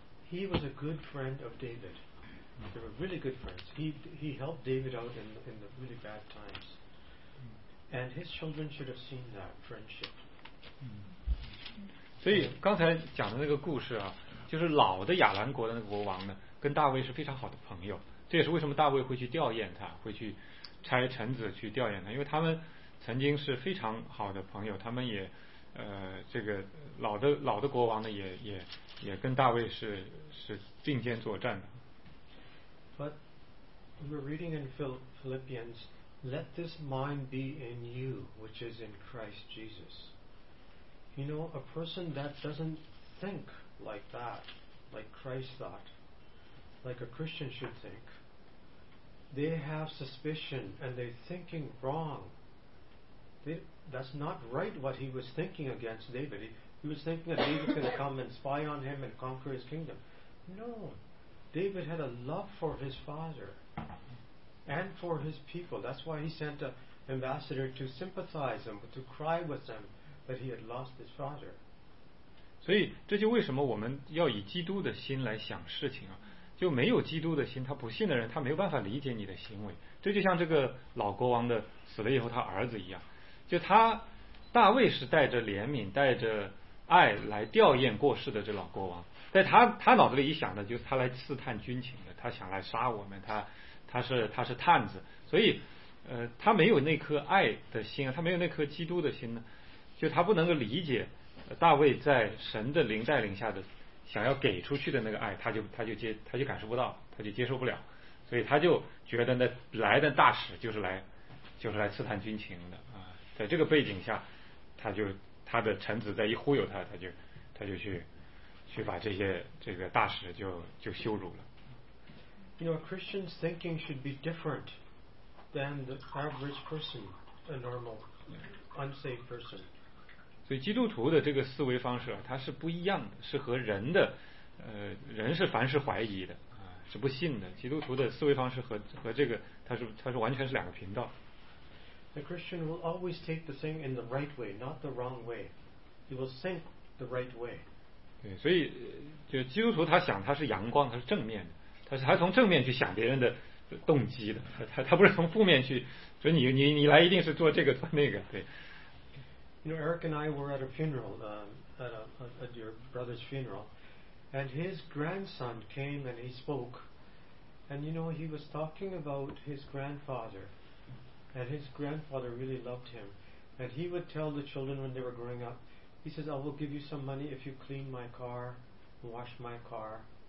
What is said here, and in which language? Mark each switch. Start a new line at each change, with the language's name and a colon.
English: He was a good friend of David. They were really good friends. He helped David out in the really bad times. And his children should have seen that friendship.
Chinese: 所以刚才讲的那个故事啊，就是老的亚兰国的那个国王呢，跟大卫是非常好的朋友，这也是为什么大卫会去吊唁他，会去差臣子去吊唁他，因为他们曾经是非常好的朋友，他们也这个老的国王呢也跟大卫是并肩作战的。
English: But we're reading in Philippians, let this mind be in you which is in Christ Jesus. You know, a person that doesn't think like that, like Christ thought, like a Christian should think, they have suspicion and they're thinking wrong. That's not right what he was thinking against David. He was thinking that David could come and spy on him and conquer his kingdom. No, David had a love for his father and for his people. That's why he sent an ambassador to sympathize them, to cry with them that he had lost his father.
Chinese: 所以这就为什么我们要以基督的心来想事情啊？就没有基督的心，他不信的人，他没有办法理解你的行为。这就像这个老国王的死了以后他儿子一样，就他大卫是带着怜悯带着爱来吊唁过世的这老国王，在他脑子里一想的就是他来刺探军情的，他想来杀我们，他是探子，所以他没有那颗爱的心，他没有那颗基督的心呢，就他不能够理解大卫在神的灵带领下的想要给出去的那个爱，他就感受不到，他就接受不了，所以他就觉得那来的大使就是来刺探军情的。在这个背景下，他的臣子在一忽悠他，他就去把这些这个大使就羞辱了。
English: You know, a Christian's thinking should be different than the average person, a normal, unsaved person.
Chinese: 所以基督徒的这个思维方式啊，它是不一样的，是和人的人是凡事怀疑的啊，是不信的。基督徒的思维方式和这个它是完全是两个频道。
English: The Christian will always take the thing in the right way, not the wrong way. He will think the right way.
Chinese: 对，所以就基督徒他想他是阳光，他是正面的，他从正面去想别人的动机的，他不是从负面去，所以你来一定是做这个做那个，对。
English: You know, Eric and I were at a funeral, at your brother's funeral, and his grandson came and he spoke, and you know, he was talking about his grandfather. And his grandfather really loved him. And he would tell the children when they were growing up, he says, I will give you some money if you clean my car, wash my car.